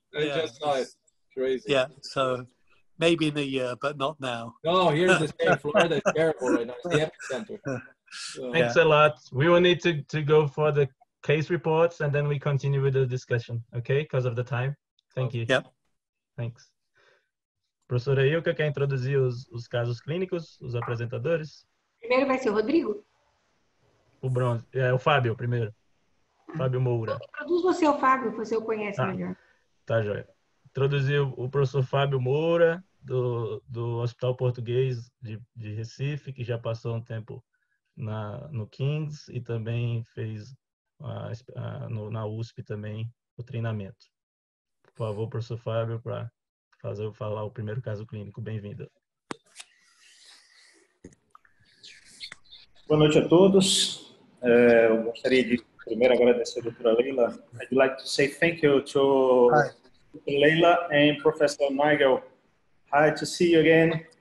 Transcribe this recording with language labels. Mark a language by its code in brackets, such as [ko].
[en] I just saw it. Crazy. Yeah, so... Maybe in a year, but not now. No, here's the state of Florida. It's terrible right now. It's the epicenter. So. Thanks a lot. We will need to go for the case reports, and then we continue with the discussion, okay, because of the time. Thank you. Yep. Thanks. [pt] Professor Ailka, quer introduzir os casos clínicos, os apresentadores? Primeiro vai ser o Rodrigo? O Bronze. É o Fábio, primeiro. Fábio Moura. Introduz você ao Fábio, você o conhece melhor. Tá, joia. Introduzir o professor Fábio Moura, do Hospital Português de Recife, que já passou um tempo no King's e também fez na USP também o treinamento. Por favor, professor Fábio, para fazer falar o primeiro caso clínico. Bem-vindo. Boa noite a todos. Eu gostaria de primeiro agradecer a doutora Leila. [en] I'd like to say thank you to... Hi. Leila and Professor Nigel, hi to see you again.